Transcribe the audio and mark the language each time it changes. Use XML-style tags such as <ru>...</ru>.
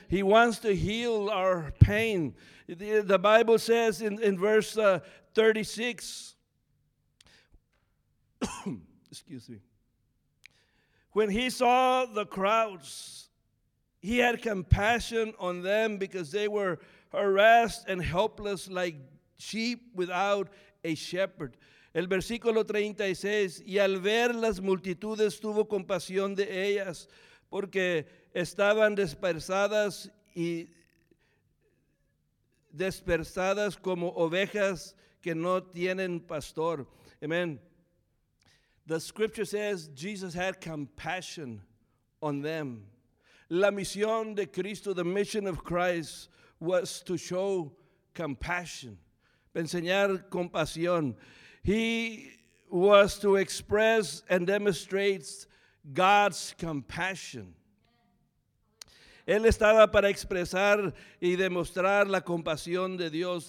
<en>He wants to heal our pain. The Bible says in verse 36, excuse me, when he saw the crowds, he had compassion on them because they were harassed and helpless like sheep without a shepherd.</en> <es>El versículo 36, y al ver las multitudes tuvo compasión de ellas porque estaban dispersadas y dispersadas como ovejas que no tienen pastor. Amen.</es> <en>The scripture says Jesus had compassion on them.</en> <es>La misión de Cristo,</es> <en>the mission of Christ, was to show compassion,</en> <es>enseñar compasión.</es> <en>He was to express and demonstrate God's compassion.</en> <es>Él estaba para expresar y demostrar la compasión de Dios.</es>